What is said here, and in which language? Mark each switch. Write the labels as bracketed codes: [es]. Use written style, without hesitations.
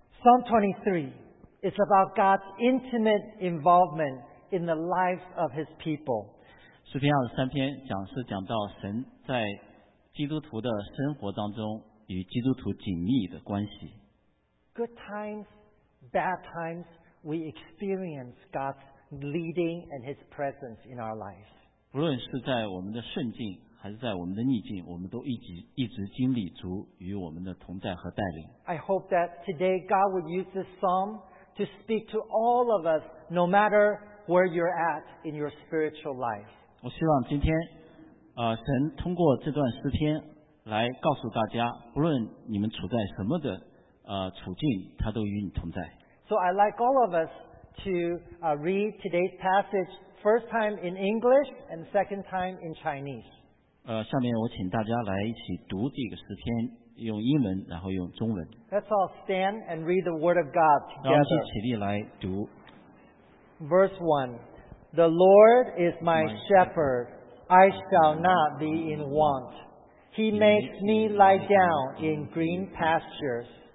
[en] Psalm 23 is about God's intimate involvement in the lives of His people. [zh] 诗篇二十三篇讲是讲到神在基督徒的生活当中与基督徒紧密的关系。 [en] Good times, bad times, we experience God's leading and His presence in our lives. [zh] 无论是在我们的顺境还是在我们的逆境，我们都一直经历主与我们的同在和带领。 [en] I hope that today God would use this psalm to speak to all of us, no matter where you're at in your spiritual life. [zh] 我希望今天神通过这段诗篇来告诉大家，不论你们处在什么的处境，他都与你同在。 [en] So I'd like all of us to read today's passage first time in English and second time in Chinese. [zh] 下面我请大家来一起读这个诗篇，用英文，然后用中文。 [en] Let's all stand and read the Word of God together. [zh] 大家起立来读。 [en] Verse 1. The Lord is my shepherd. I shall not be in want. He makes me lie down in green pastures.